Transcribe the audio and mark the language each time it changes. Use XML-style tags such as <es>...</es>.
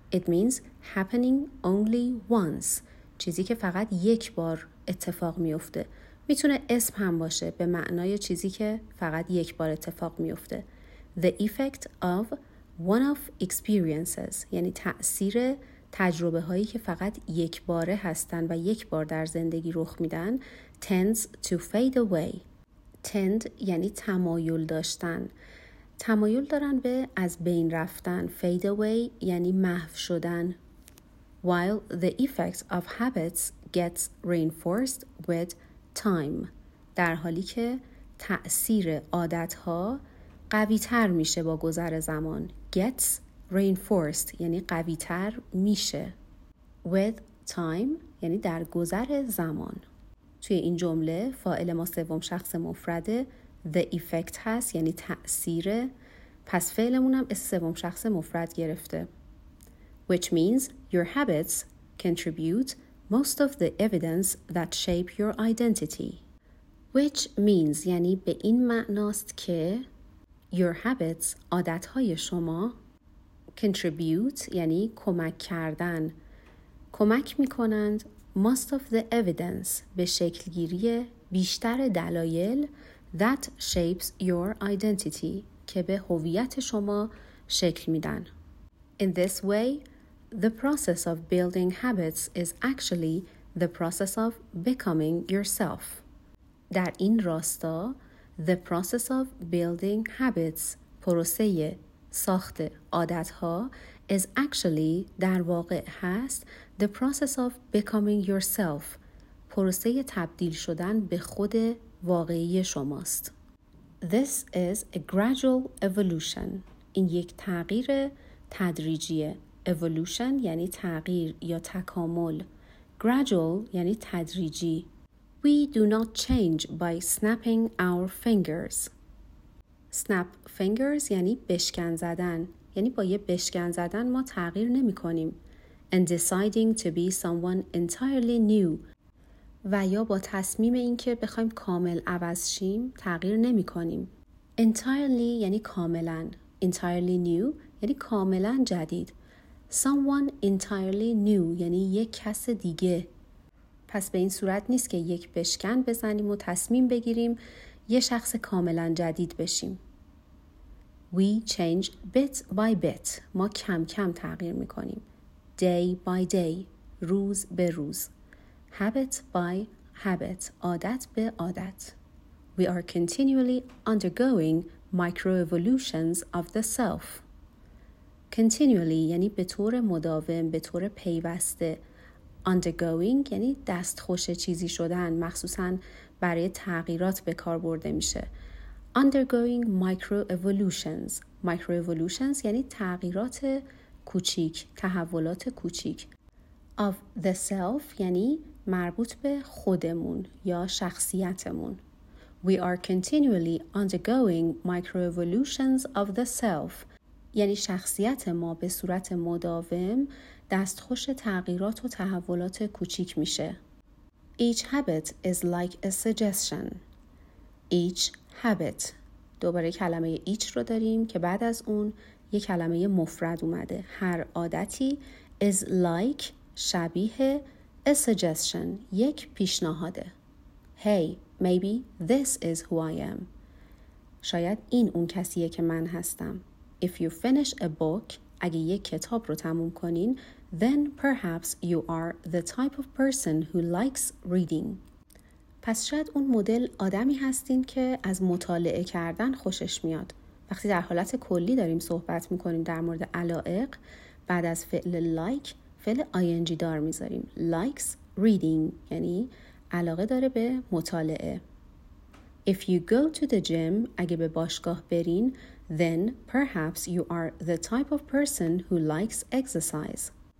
<en>It means happening only once.</en> <fa>چیزی که فقط یک بار اتفاق میفته. میتونه اسم هم باشه به معنای چیزی که فقط یک بار اتفاق میفته.</fa> <en>The effect of one-off experiences</en> <fa>یعنی تأثیر تجربه هایی که فقط یک باره هستن و یک بار در زندگی رخ میدن.</fa> <en>Tends to fade away.</en> <fa>Tend یعنی تمایل داشتن. تمایل دارن به از بین رفتن.</fa> <en>Fade away</en> <fa>یعنی محو شدن.</fa> <en>While the effect of habits gets reinforced with time.</en> <fa>در حالی که تأثیر عادتها قوی تر میشه با گذر زمان.</fa> <en>Gets reinforced</en> <fa>یعنی قوی تر میشه.</fa> <en>With time</en> <fa>یعنی در گذر زمان. توی این جمله فاعل ما سوم شخص مفرد the effect هست یعنی تأثیر، پس فعلمون هم اس سوم شخص مفرد گرفته.</fa> <en>Which means your habits contribute most of the evidence that shape your identity. Which means</en> <fa>یعنی به این معناست که</fa> <en>your habits</en> <fa>عادتهای شما contribute یعنی کمک کردن، کمک میکنند</fa> <en>most of the evidence</en> <fa>به شکل گیری بیشتر دلایل</fa> <en>that shapes your identity</en> <fa>که به هویت شما شکل میدن.</fa> <en>In this way the process of building habits is actually the process of becoming yourself.</en> <fa>در این راستا</fa> <en>the process of building habits</en> <fa>پروسه ساخت عادت‌ها</fa> <en>is actually</en> <fa>در واقع هست</fa> <en>the process of becoming yourself</en> <fa>پروسه تبدیل شدن به خود واقعی شماست.</fa> <en>This is a gradual evolution.</en> <fa>این یک تغییر تدریجیه. Evolution یعنی تغییر یا تکامل. Gradual یعنی تدریجی.</fa> <en>We do not change by snapping our fingers. Snap fingers</en> <fa>یعنی بشکن زدن. یعنی با یه بشکن زدن ما تغییر نمی کنیم.</fa> <en>And deciding to be someone entirely new.</en> <fa>و یا با تصمیم این که بخوایم کامل عوض شیم تغییر نمی کنیم. Entirely یعنی کاملاً.</fa> <en>Entirely new</en> <fa>یعنی کاملاً جدید.</fa> <en>Someone entirely new</en> <fa>یعنی یک کس دیگه. پس به این صورت نیست که یک بشکن بزنیم و تصمیم بگیریم یه شخص کاملاً جدید بشیم.</fa> <en>We change bit by bit.</en> <fa>ما کم کم تغییر می کنیم.</fa> <en>Day by day.</en> <fa>روز به روز.</fa> <en>Habit by habit.</en> <fa>عادت به عادت.</fa> <en>We are continually undergoing microevolutions of the self.</en> <fa>Continually یعنی به طور مداوم، به طور پیوسته. Undergoing یعنی دستخوش چیزی شدن، مخصوصاً برای تغییرات به کار برده میشه.</fa> <en>Undergoing microevolutions.</en> <fa>Microevolutions یعنی تغییرات کوچیک، تحولات کوچیک.</fa> <en>Of the self</en> <fa>یعنی مربوط به خودمون یا شخصیتمون.</fa> <en>We are continually undergoing microevolutions of the self.</en> <fa>یعنی شخصیت ما به صورت مداوم دستخوش تغییرات و تحولات کوچیک میشه.</fa> <en>Each habit is like a suggestion. Each habit.</en> <fa>دوباره کلمه each رو داریم که بعد از اون یک کلمه مفرد اومده. هر عادتی</fa> <en>is like</en> <fa>شبیه</fa> <en>a suggestion.</en> <fa>یک پیشنهاده.</fa> <en>Hey, maybe this is who I am.</en> <fa>شاید این اون کسیه که من هستم.</fa> <en>If you finish a book,</en> <fa>اگه یک کتاب رو تموم کنین,</fa> <en>then perhaps you are the type of person who likes reading.</en> <fa>پس شاید اون مدل آدمی هستین که از مطالعه کردن خوشش میاد. وقتی در حالت کلی داریم صحبت میکنیم در مورد علایق, بعد از فعل like, فعل ing دار میذاریم.</fa> <en>Likes reading,</en> <fa>یعنی علاقه داره به مطالعه.</fa> <en>If you go to the gym,</en> <fa>اگه به باشگاه برین,</fa> <en>then perhaps you are the type of person who likes exercise.</en>